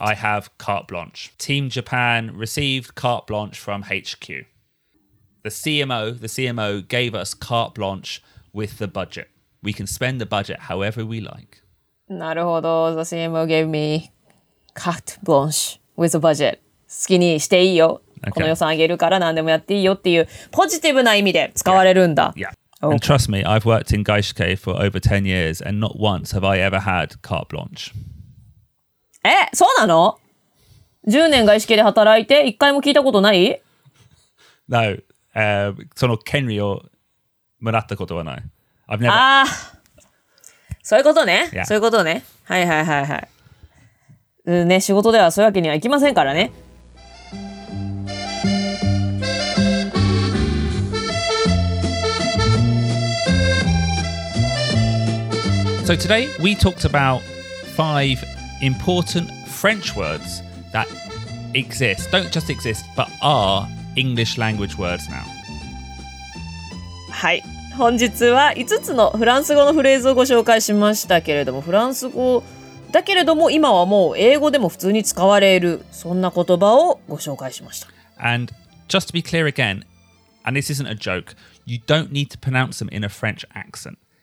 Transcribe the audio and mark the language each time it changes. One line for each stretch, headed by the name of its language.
English: No, I have carte blanche. Team Japan received carte blanche from HQ. The CMO gave us carte blanche with the budget. We can spend the budget however we like.
Japanese: なるほど。
English: The CMO gave me carte blanche with the budget.
Japanese: 好きにしていいよ。Okay. この予算あげるから何でもやっていいよっていうポジティブな意味で使われるんだ。
English: Yeah. Yeah. And trust me, I've worked in Gaishikei for over 10 years and not once have I ever had carte blanche.
Japanese: そうなの ?10 年外資系で働いて1回も聞いたことない No.、その権利をもらったことはない。
English: I've never...
Japanese: ああ。そういうことね。Yeah. そういうことね。はいはいはいはい。ね、仕事ではそういうわけにはいきませんからね。
English: So today we talked about five important French words that exist, don't just exist, but are English language words now.
Japanese: はい、本日は5つのフランス語のフレーズをご紹介しましたけれども、フランス語だけれども今はもう英語でも普通に使われるそんな言葉をご紹介しました。
English: And just to be clear again, and this isn't a joke, you don't need to pronounce them in a French accent.